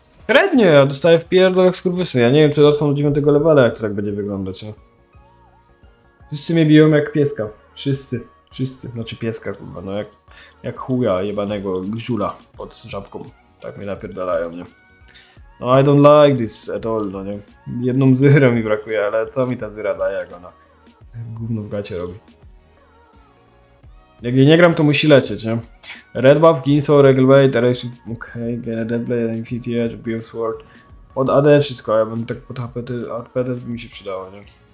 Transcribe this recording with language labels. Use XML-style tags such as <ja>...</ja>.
<pl>Średnio, ja dostaję w pierdol jak skurwysyn. Ja nie wiem, czy dotknął do 9 levela, jak to tak będzie wyglądać. No. Wszyscy mnie biją jak pieska. Wszyscy. Znaczy pieska kurwa, no jak chuja jebanego żula pod żabką. Tak mnie napierdalają, nie?</pl> <en>No I don't like this at all,</en> <pl>no nie. Jedną zyrę mi brakuje, ale co mi ta zyra daje, jak ona gówno w gacie robi. Jak jej nie gram, to musi lecieć, nie? Red buff, Ginsoul, Regulate, teraz okej, gain a Deadblade, Infinity Edge, Beam Sword. Od AD wszystko, ja bym tak pod HP, HP by mi się przydało, nie?</pl>